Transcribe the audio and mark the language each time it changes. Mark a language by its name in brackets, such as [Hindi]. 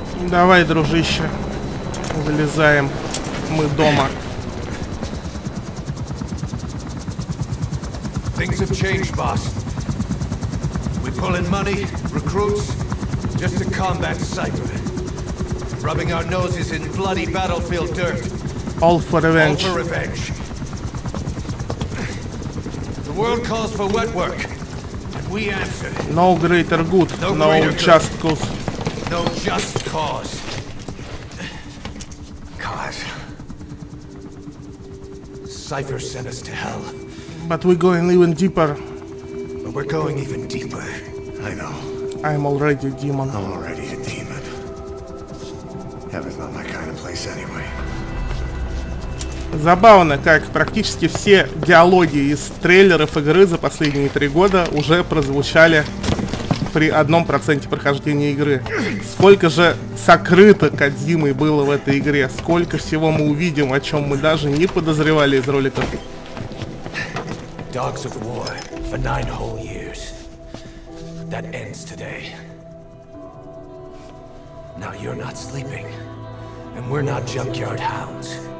[Russian] Давай, дружище, вылезаем. Мы дома. [English] Things have changed, boss. We pull in money, recruits, just to combat Cypher. Rubbing our noses in bloody battlefield dirt. All for revenge. All for revenge. The world calls for wet work, and we answer. No greater good, no just cause. No just cause. Cypher sent us to hell. But we're going even deeper. But we're going even deeper. I know. I'm already a demon. I'm already a demon. Heaven's not my kind of place anyway. [Russian] Забавно, как практически все диалоги из трейлеров игры за последние 3 года уже прозвучали при 1% прохождения игры. Сколько же сокрыто Кодзимой было в этой игре, сколько всего мы увидим, о чем мы даже не подозревали из роликов. [English] Dogs of War for 9 whole years. That ends today. Now you're not sleeping, and we're not junkyard hounds.